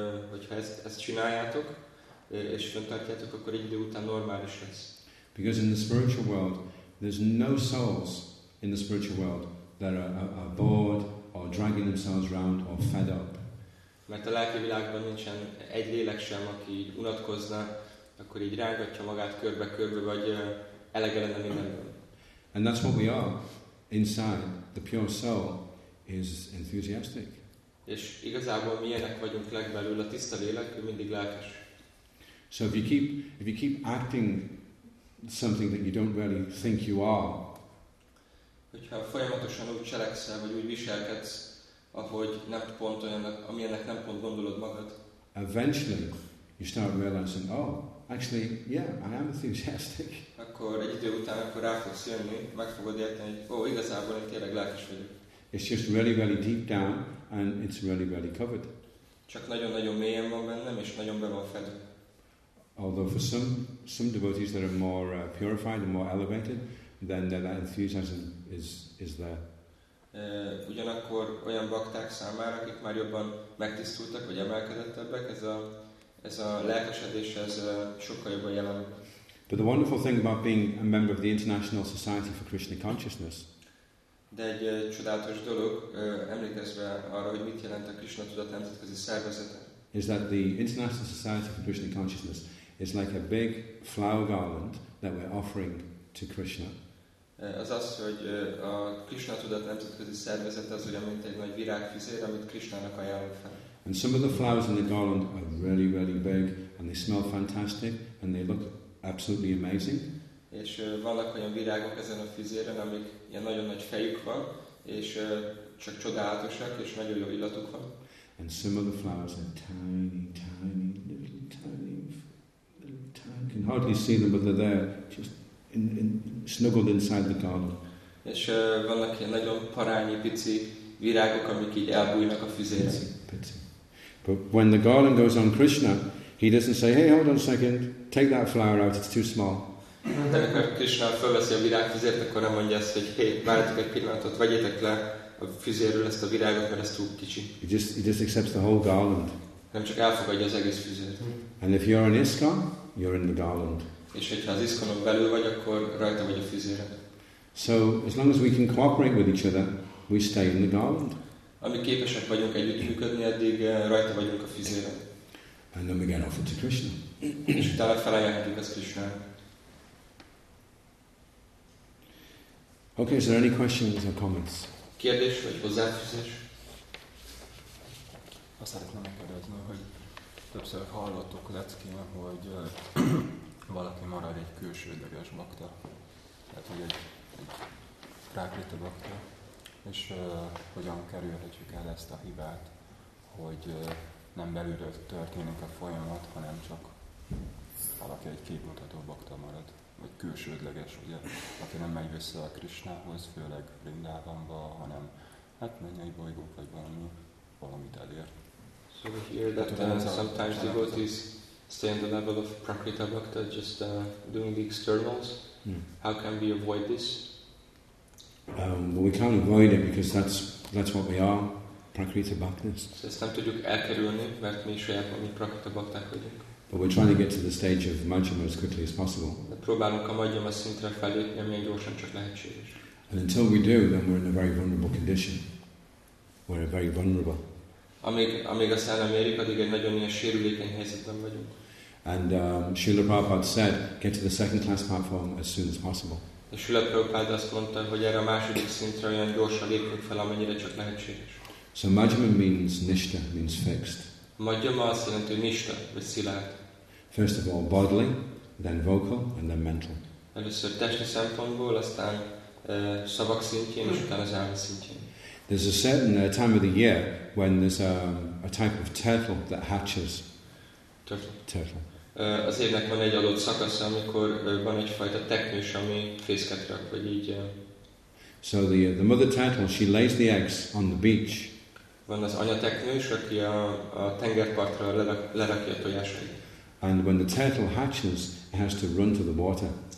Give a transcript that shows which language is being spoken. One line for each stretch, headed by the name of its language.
Hungarian: Hogyha ezt csináljátok, és fönntartjátok, akkor egy idő után normális lesz.
English: Because in the spiritual world, there's no souls in the spiritual world that are bored or dragging themselves around or fed up.
Hungarian: Mert a lelki világban nincsen egy lélek sem, aki így unatkozna, akkor így rángatja magát körbe-körbe, vagy elegelene mindenből.
English: And that's what we are inside. The pure soul is enthusiastic.
Hungarian: És igazából mi ilyenek vagyunk legbelül, a tiszta lélek, mindig lelkes.
English: So if you keep acting something that you don't really think you are,
Hungarian: hogyha folyamatosan úgy cselekszel, vagy úgy viselkedsz, ahogy nem pont olyan, amilyennek nem pont gondolod magad,
English: eventually you start realizing, oh, actually, yeah, I am enthusiastic.
Hungarian: Akkor egy idő után, akkor rá fogsz jönni, meg fogod érteni, hogy ó, igazából én tényleg lelkes vagyok.
English: It's just really, really deep down, and it's really, really covered.
Hungarian: Csak nagyon-nagyon mélyen van bennem, és nagyon be van fedve.
English: Although for some devotees that are more purified and more elevated, then that enthusiasm is there.
Hungarian: Ugyanakkor olyan bakták számára, akik már jobban megtisztultak, vagy emelkedettebbek, ez a lelkesedés, ez sokkal jobban jelen.
English: But the wonderful thing about being a member of the International Society for Krishna Consciousness.
Hungarian: De egy csodálatos dolog, emlékezve arra, hogy mit jelent a Krishna Tudat Nemzetközi Szervezete.
English: Is that the International Society for Krishna Consciousness is like a big flower garland that we're offering to Krishna.
Hungarian: Az, hogy a Krishna Tudat Nemzetközi Szervezete az olyan, mint egy nagy virágfüzér, amit Krishnának ajánlunk fel.
English: And some of the flowers in the garland are really, really big, and they smell fantastic, and they look absolutely amazing.
Hungarian: És vannak olyan virágok ezen a füzéren, amik ilyen nagyon nagy fejük van, és csak csodálatosak, és nagyon jó illatuk van.
English: And some of the flowers are tiny, tiny, little, tiny, little, tiny. You can hardly see them, but they're there, just snuggled inside the garland.
Hungarian: És vannak ilyen nagyon parányi, pici virágok, amik így elbújnak a füzéren.
English: But when the garland goes on Krishna, he doesn't say, hey, hold on a second, take that flower out, it's too small.
Hungarian: De amikor Krishna felveszi a virágfüzért, akkor nem mondja azt, hogy hey, várjatok egy pillanatot, vegyétek le a füzérről ezt a virágot, mert ez túl kicsi.
English: He just accepts the whole garland.
Hungarian: Nem csak elfogadja az egész füzért.
English: And if you're an ISKCON, you're in the garland.
Hungarian: És hogyha az ISKCON-on belül vagy, akkor rajta vagy a füzére.
English: So, as long as we can cooperate with each other, we stay in the garland.
Hungarian: Amíg képesek vagyunk együttműködni, addig rajta vagyunk a füzére.
English: And then we get offered to Krishna.
Hungarian: És utána felajánlhatjuk ezt Krishna.
English: Okay, is there any questions or comments?
Hungarian: Kérdés vagy hozzáfűzés? Azt szeretném megkérdezni, hogy többször hallottuk leckében, hogy valaki marad egy külsődleges bakta, tehát hogy egy prákrita bakta, és hogyan kerülhetjük el ezt a hibát, hogy nem belülről történik a folyamat, hanem csak valaki egy képmutató bakta marad. Vagy külsődleges, ugye, aki nem megy vissza a Krisnához, főleg Vrindávanba, hanem hát mennyei bolygók, vagy valamit elért.
English: So we hear that sometimes devotees stay on the level of Prakrita Bhakta, just doing the externals. Hmm. How can we avoid this? Well, we can't avoid it, because that's what we are, Prakrita Bhaktas.
Hungarian: So ezt nem tudjuk elkerülni, mert mi saját mi Prakrita Bhakták vagyunk.
English: But we're trying to get to the stage of Majjhima as quickly as possible.
Hungarian: De próbálunk a Majjhima szintre felépni, amilyen gyorsan csak lehetséges.
English: And until we do, then we're in a very vulnerable condition. We're very vulnerable.
Hungarian: Amíg aztán nem érik, addig egy nagyon ilyen sérülékeny helyzetben vagyunk.
English: And Srila Prabhupada said, get to the second class platform as soon as possible.
Hungarian: De Srila Prabhupada azt mondta, hogy erre a második szintre olyan gyorsan lépjünk fel, amennyire csak lehetséges.
English: So Majjhima means nishta, means fixed.
Hungarian: Majjhima azt jelenti, hogy nishta, vagy szilárd.
English: First of all, bodily, then vocal, and then mental.
Hungarian: Először testi szempontból, aztán szavak szintjén, és utána az elme szintjén.
English: There's a certain time of the year when there's a type of turtle that hatches. Turtle.
Hungarian: Az évnek van egy adott szakasza, amikor van egyfajta teknős, ami fészket rak, vagy így.
English: So the mother turtle, she lays the eggs on the beach.
Hungarian: Van az anyateknős, aki a tengerpartra lerakja a tojásait.
English: And when the turtle hatches, it has to run to the water.